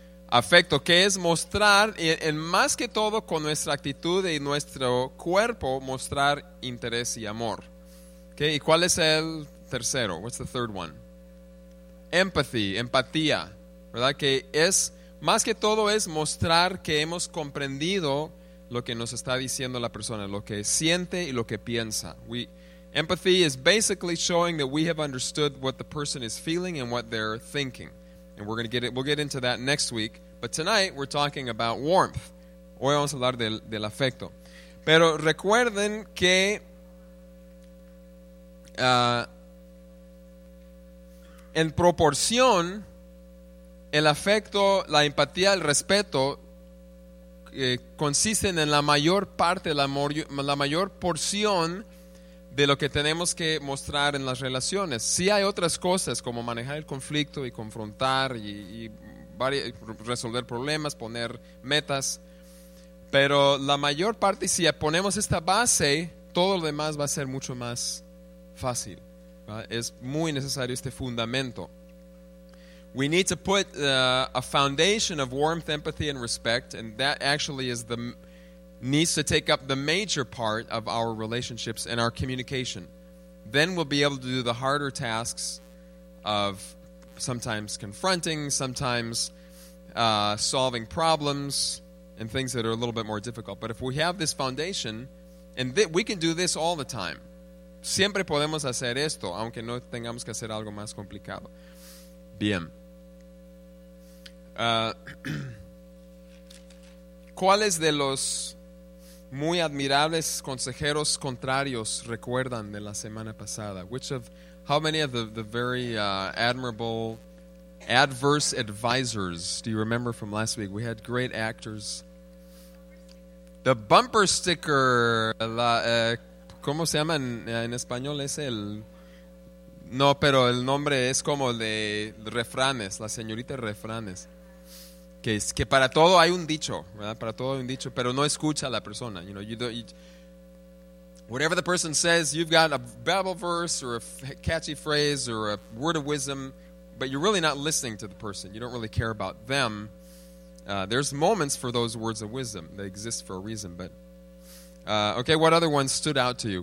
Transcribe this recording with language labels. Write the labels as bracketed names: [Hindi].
[Spanish] Afecto, que es mostrar, en más que todo con nuestra actitud y nuestro cuerpo, mostrar interés y amor. Okay, ¿y cuál es el tercero? [English] What's the third one? [Spanish] Empatía, ¿verdad? Que es, más que todo, es mostrar que hemos comprendido lo que nos está diciendo la persona, lo que siente y lo que piensa. [English] Empathy is basically showing that we have understood what the person is feeling and what they're thinking. And we'll get into that next week. But tonight, we're talking about warmth. [Spanish] Hoy vamos a hablar del afecto. Pero recuerden que en proporción, el afecto, la empatía, el respeto consisten en la mayor parte, la mayor porción de lo que tenemos que mostrar en las relaciones. Sí hay otras cosas como manejar el conflicto y confrontar y resolver problemas, poner metas, pero la mayor parte, si ponemos esta base, todo lo demás va a ser mucho más fácil. Es muy necesario este fundamento. [English] We need to put a foundation of warmth, empathy, and respect, and that actually needs to take up the major part of our relationships and our communication. Then we'll be able to do the harder tasks of sometimes confronting, sometimes solving problems, and things that are a little bit more difficult. But if we have this foundation, and we can do this all the time. [Spanish] Siempre podemos hacer esto, aunque no tengamos que hacer algo más complicado. Bien. ¿Cuáles de los muy admirables consejeros contrarios recuerdan de la semana pasada? [English] How many of the very admirable adverse advisors do you remember from last week? We had great actors. The bumper sticker. [Spanish] ¿Cómo se llama en español? Es el... No, pero el nombre es como de refranes, la señorita refranes. Que es que para todo hay un dicho, ¿verdad? Para todo hay un dicho, pero no escucha a la persona. [English] You know, whatever the person says, you've got a Bible verse or a catchy phrase or a word of wisdom, but you're really not listening to the person. You don't really care about them. There's moments for those words of wisdom. They exist for a reason, but... okay, what other ones stood out to you?